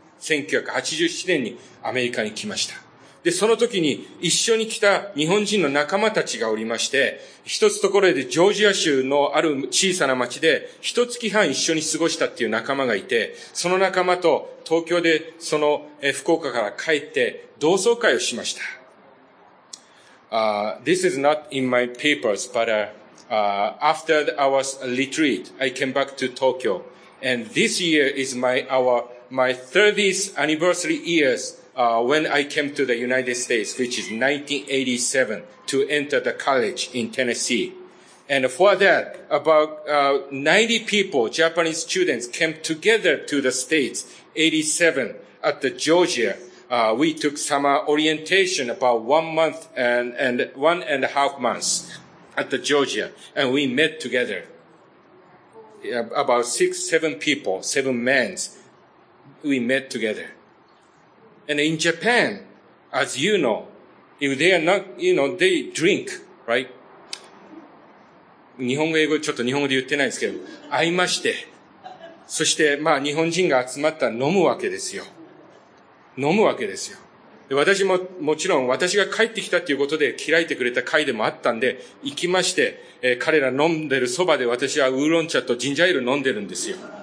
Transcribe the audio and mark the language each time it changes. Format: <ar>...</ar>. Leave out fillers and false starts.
<ja>1987年にアメリカに来ました。で、その時に一緒に来た日本人の仲間たちがおりまして、一つところでジョージア州のある小さな町で、一月半一緒に過ごしたっていう仲間がいて、その仲間と東京でその福岡から帰って同窓会をしました。</ja> <en>This is not in my papers, but after our retreat, I came back to Tokyo. And this year is my 30th anniversary years. When I came to the United States, which is 1987, to enter the college in Tennessee. And for that, about 90 people, Japanese students, came together to the States, 87, at the Georgia. We took summer orientation about 1 month and 1.5 months. at the Georgia, and we met together. About six, seven people, seven men, we met together. And in Japan, as you know, if they are not, you know, they drink, right?</en> <ja>日本語英語ちょっと日本語で言ってないですけど、会いまして、そしてまあ日本人が集まったら飲むわけですよ。飲むわけですよ。で私ももちろん私が帰ってきたということで開いてくれた会でもあったんで、行きまして、彼ら飲んでるそばで私はウーロン茶とジンジャーエール飲んでるんですよ。</ja>